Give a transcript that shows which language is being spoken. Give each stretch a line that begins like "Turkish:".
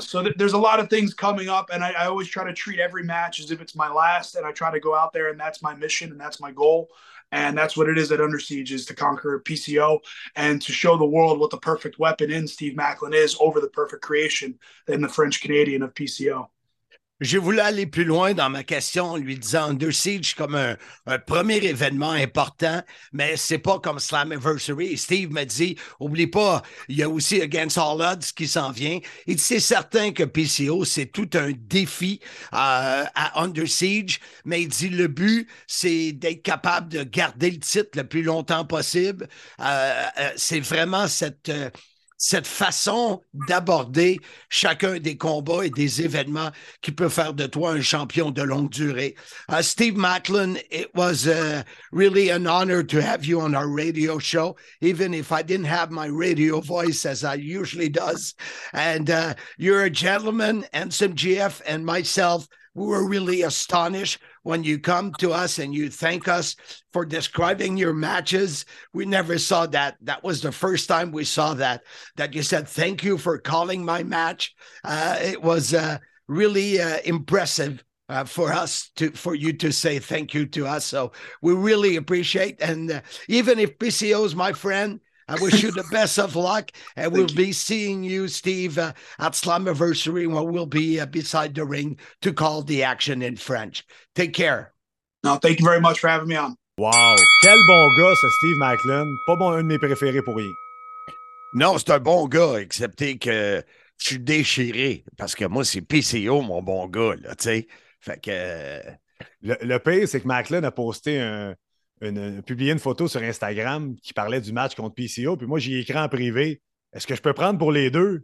English: So there's a lot of things coming up, and I always try to treat every match as if it's my last, and I try to go out there, and that's my mission, and that's my goal. And that's what it is at Under Siege, is to conquer PCO and to show the world what the perfect weapon in Steve Macklin is over the perfect creation in the French-Canadian of PCO.
French: Je voulais aller plus loin dans ma question en lui disant Under Siege comme un premier événement important, mais c'est pas comme Slammiversary. Steve m'a dit, oublie pas, il y a aussi Against All Odds qui s'en vient. Et c'est certain que PCO, c'est tout un défi à Under Siege, mais il dit le but, c'est d'être capable de garder le titre le plus longtemps possible. C'est vraiment cette façon d'aborder chacun des combats et des événements qui peut faire de toi un champion de longue durée.
English: Steve Macklin, it was really an honor to have you on our radio show, even if I didn't have my radio voice as I usually does. And you're a gentleman, and some GF and myself, we were really astonished when you come to us and you thank us for describing your matches. We never saw that. That was the first time we saw that you said, thank you for calling my match. It was really impressive for us for you to say thank you to us. So we really appreciate. And even if PCO is my friend, I wish you the best of luck. And we'll be seeing you, Steve, at Slammiversary, where we'll be beside the ring to call the action in French. Take care. No, thank you very much for having me on.
French: Wow. Quel bon gars, ce Steve Macklin. Pas bon, un de mes préférés pour rien. Non, c'est un bon gars, excepté que je suis déchiré. Parce que moi, c'est PCO, mon bon gars, là, tu sais. Fait que. Le pire, c'est que Macklin a posté publié une photo sur Instagram qui parlait du match contre PCO, puis moi, j'ai écrit en privé, est-ce que je peux prendre pour les deux?